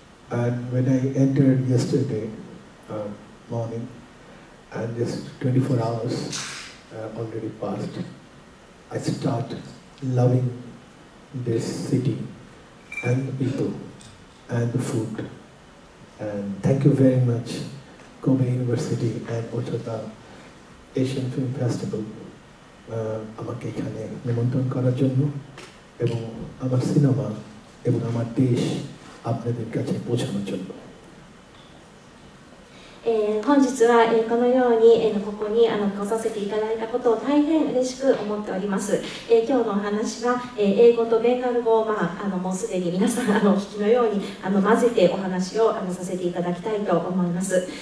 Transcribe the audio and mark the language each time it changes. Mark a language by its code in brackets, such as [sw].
[en] And when I entered yesterday morning, and just 24 hours already passed, I start loving this city and the people and the food. And thank you very much, Kobe University and Osaka Asian Film Festival. [bn] আমাকে এখানে নিমন্ত্রণ করার জন্য এবং আমার cinema এবং আমার দেশ আপনাদের কাছে পৌঁছানোর জন্য [ja] 本日はこのようにここに来させていただいたことを大変嬉しく思っております。今日のお話は英語とベンガル語をもうすでに皆さんお聞きのように混ぜてお話をさせていただきたいと思います。